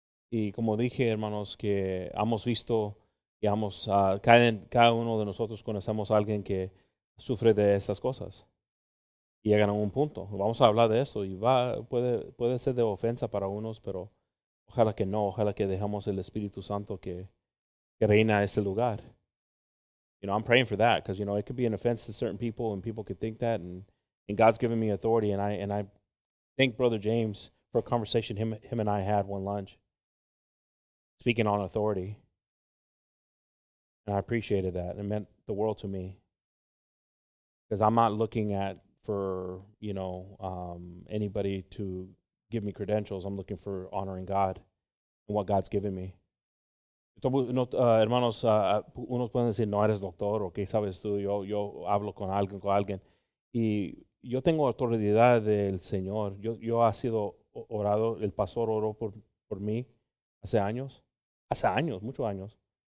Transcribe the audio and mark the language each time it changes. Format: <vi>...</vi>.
<es>Y como dije, hermanos, que hemos visto, digamos, cada uno de nosotros conocemos a alguien que sufre de estas cosas. Y llegan a un punto. Vamos a hablar de eso. Y puede ser de ofensa para unos, pero ojalá que no. Ojalá que dejemos el Espíritu Santo que reina ese lugar.</es> <en>You know, I'm praying for that. Because, you know, it could be an offense to certain people and people could think that. And God's given me authority, and I thank Brother James for a conversation him and I had one lunch, speaking on authority. And I appreciated that. It meant the world to me. Because I'm not looking at for, you know, anybody to give me credentials. I'm looking for honoring God and what God's given me.</en> <es>Hermanos, unos pueden decir, no eres doctor, o qué sabes tú, yo hablo con alguien. Yo tengo autoridad del Señor. Yo he sido orado. El pastor oró por mí hace años. Hace años, muchos años.</es>